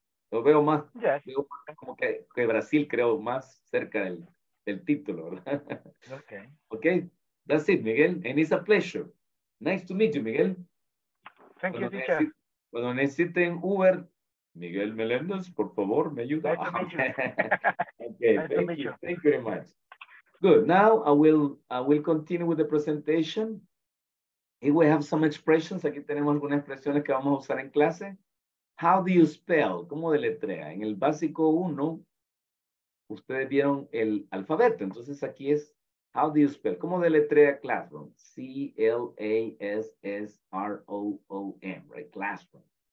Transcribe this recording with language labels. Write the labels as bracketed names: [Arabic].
[Spanish] Lo veo más, veo como que Brasil creo más cerca del título, ¿verdad? [English] Okay, that's it, Miguel, and it's a pleasure. Nice to meet you, Miguel. Thank you, teacher. [Spanish] Cuando necesiten Uber, Miguel Meléndez, por favor, me ayuda. [English] Nice to meet you. Thank you very much. Good, now I will continue with the presentation. Here we have some expressions. [Spanish] Aquí tenemos algunas expresiones que vamos a usar en clase. [English] How do you spell? [Spanish] ¿Cómo deletrea? En el básico 1, ustedes vieron el alfabeto. Entonces aquí es, [English] how do you spell? [Spanish] ¿Cómo deletrea classroom? [English] Classroom, right? Classroom.